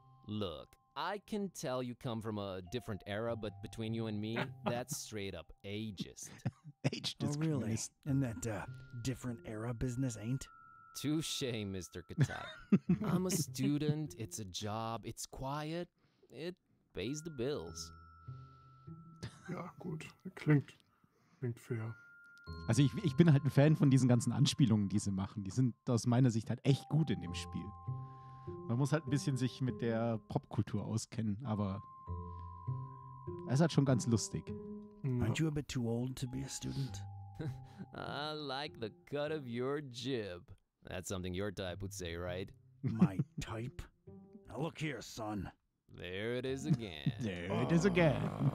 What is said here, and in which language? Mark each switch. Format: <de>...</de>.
<en>Look, I can tell you come from a different era, but between you and me, that's straight up ageist. Ageist. Oh, really? And that different era business ain't? Touché, Mr. Katai. I'm a student, it's a job, it's quiet, it pays the bills.</en> <de>Ja, gut. Klingt fair. Also ich bin halt ein Fan von diesen ganzen Anspielungen, die sie machen. Die sind aus meiner Sicht halt echt gut in dem Spiel. Man muss halt ein bisschen sich mit der Popkultur auskennen, aber es hat schon ganz lustig.</de> <en>Aren't you a bit too old to be a student? I like the cut of your jib. That's something your type would say, right? My type? Now look here, son. There it is again. There it is again.</en>